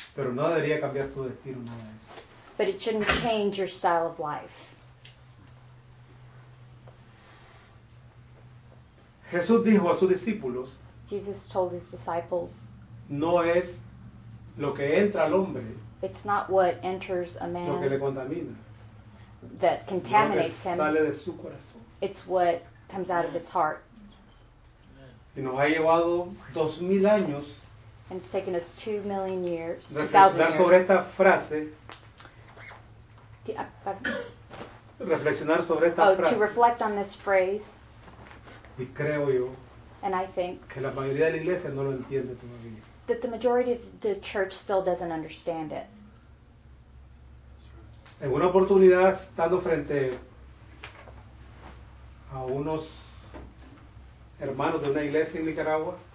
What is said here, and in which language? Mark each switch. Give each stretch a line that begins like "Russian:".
Spanish: Pero no debería cambiar tu destino, nada de eso.
English: But it shouldn't change your style of life.
Spanish: Jesús dijo a sus discípulos,
English: Jesus told his disciples,
Spanish: no es lo que entra al hombre,
English: it's not what enters a man,
Spanish: lo que le contamina,
English: that contaminates
Spanish: him, sale de su corazón.
English: It's what comes out of his heart.
Spanish: Y nos ha llevado 2,000 años,
English: and it's taken us 2,000,000 years,
Spanish: reflexionar sobre esta frase,
English: to reflect on this phrase.
Spanish: Y creo yo,
English: and I think,
Spanish: que la mayoría de la iglesia no lo entiende todavía.
English: That the majority of the church still doesn't understand it.
Spanish: En una oportunidad, estando frente a unos hermanos de una iglesia en Nicaragua,